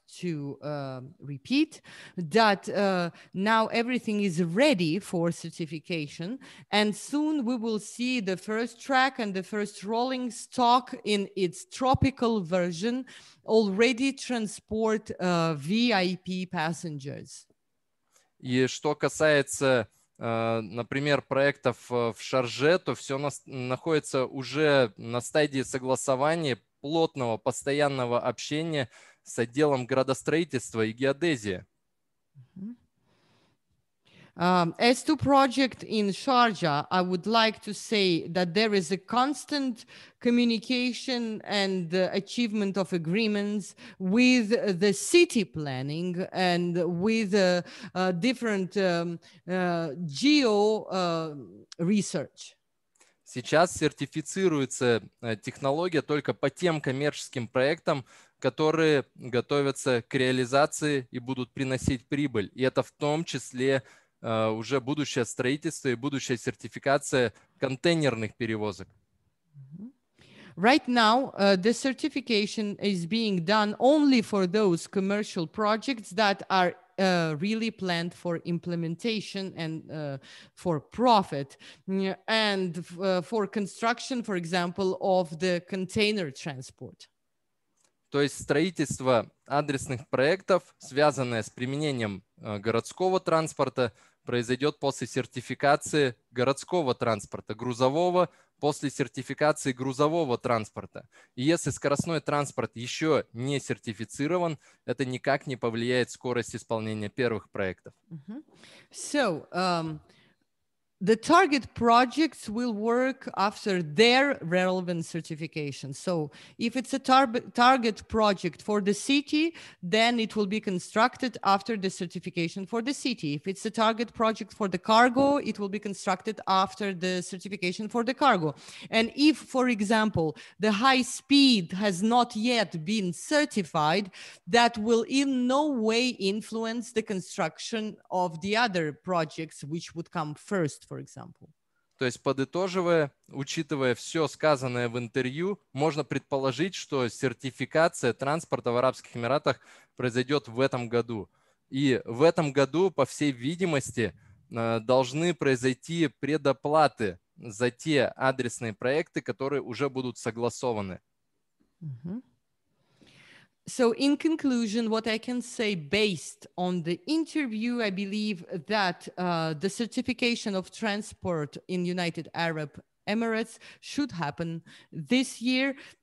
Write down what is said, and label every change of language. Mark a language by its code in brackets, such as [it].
[en] to repeat that now everything is ready for certification, and soon we will see the first track and the first rolling stock in its tropical version already transport VIP passengers. [ru] И что касается, например, проектов в Шарже, то все находится уже на стадии согласования плотного постоянного общения с отделом градостроительства и геодезии. [en] As to project in Sharjah, I would like to say that there is a constant communication and achievement of agreements with the city planning and with different geo research. [ru] Сейчас сертифицируется технология только по тем коммерческим проектам, которые готовятся к реализации и будут приносить прибыль. И это в том числе уже будущее строительство и будущая сертификация контейнерных перевозок. [en] Right now, the certification is being done only for those commercial projects that are really planned for implementation and for profit and for construction, for example, of the container transport. [ru] То есть строительство адресных проектов, связанное с применением городского транспорта, произойдет после сертификации городского транспорта, грузового, после сертификации грузового транспорта. И если скоростной транспорт еще не сертифицирован, это никак не повлияет скорость исполнения первых проектов. [en] So, the target projects will work after their relevant certification. So, if it's a target project for the city, then it will be constructed after the certification for the city. If it's a target project for the cargo, it will be constructed after the certification for the cargo. And if, for example, the high speed has not yet been certified, that will in no way influence the construction of the other projects which would come first. For example. [ru] То есть, подытоживая, учитывая все сказанное в интервью, можно предположить, что сертификация транспорта в Арабских Эмиратах произойдет в этом году. И в этом году, по всей видимости, должны произойти предоплаты за те адресные проекты, которые уже будут согласованы. [en] So in conclusion, what I can say based on the interview, I believe that the certification of transport in United Arab Emirates should happen this year.